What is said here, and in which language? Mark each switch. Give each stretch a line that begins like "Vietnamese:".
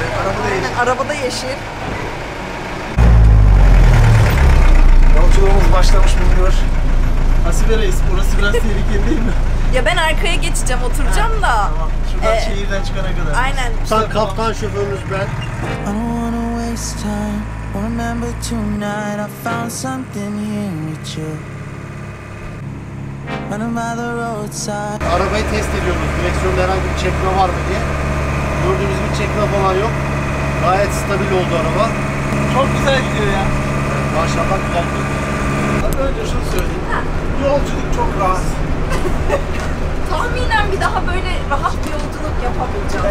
Turkish: Araba da yeşil. Araba da yeşil. Yolculuğumuz başlamış bulunuyor. Asibe Reis, burası biraz tehlikeli değil mi? Ya ben arkaya geçeceğim, oturacağım ha, da. Tamam, şuradan şehirden çıkana kadar. Aynen. Sen kaptan şoförümüz ben.
English: I don't wanna waste time. Remember tonight I found something here with you. Running by the roadside.
Turkish: Arabayı test ediyoruz. Direksiyonda herhangi bir çekme var mı diye. Gördüğünüz gibi çekme falan yok. Gayet stabil oldu araba. Çok güzel gidiyor ya. Maşallah güzel gidiyor. Önce şunu söyleyeyim. Yolculuk çok rahat. Tahminen bir daha böyle rahat bir yolculuk yapabileceğim.